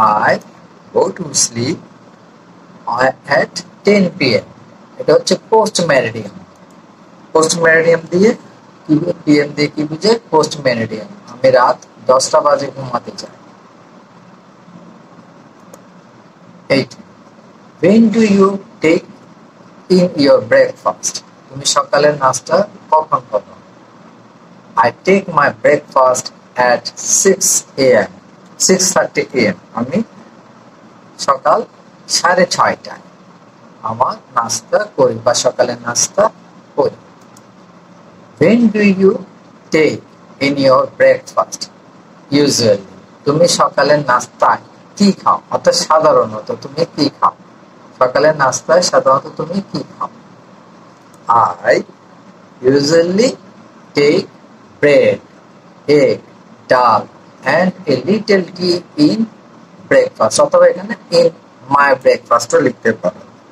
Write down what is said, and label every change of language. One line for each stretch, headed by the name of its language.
English: I go to sleep at 10 p.m.
Bangla: এটা হচ্ছে post meridiem. Post meridiem দিয়ে কি বুঝে? পিএম দিয়ে কি বুঝে? পোস্ট মেরিডিয়াম, আমি রাত 10টা বাজে ঘুমাতে চাই।
English: Eight, when do you take in your breakfast?
Bangla: তুমি সকালের নাস্তা কখন করো?
English: I take my breakfast at 6 a.m. 6:30 a.m.
Bangla: আমি সকাল 6:30টায় আমার নাস্তা করি বা সকালের নাস্তা করি।
English: When do you take in your breakfast?
Bangla: Usually, তুমি সকালের নাস্তায় কি খাও? অর্থাৎ সাধারণত তুমি কি খাও? সকালের নাস্তায় সাধারণত তুমি কি খাও?
English: I usually take bread, egg, dal and a little tea in breakfast,
Bangla: অথবা এখানে
English: in my ব্রেকফাস্টও
Bangla: লিখতে পারো।